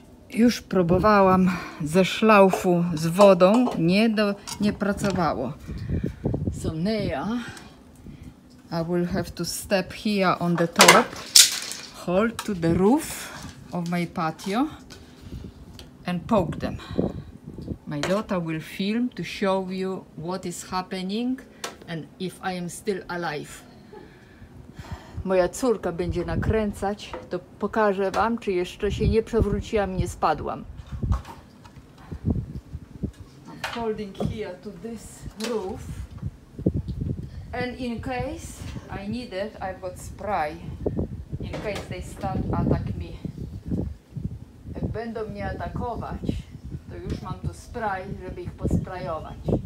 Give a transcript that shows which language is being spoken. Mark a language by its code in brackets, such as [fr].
[pl] Już próbowałam ze szlaufu z wodą, nie pracowało. [en] So now I will have to step here on the top, hold to the roof of my patio and poke them. My daughter will film to show you what is happening and if I am still alive. [pl] Moja córka będzie nakręcać, to pokażę wam, czy jeszcze się nie przewróciłam, nie spadłam. [en] I'm holding here to this roof. And in case I need it, I've got spray. In case they start attack me. [pl] Jak będą mnie atakować, to już mam tu spray, żeby ich posprayować.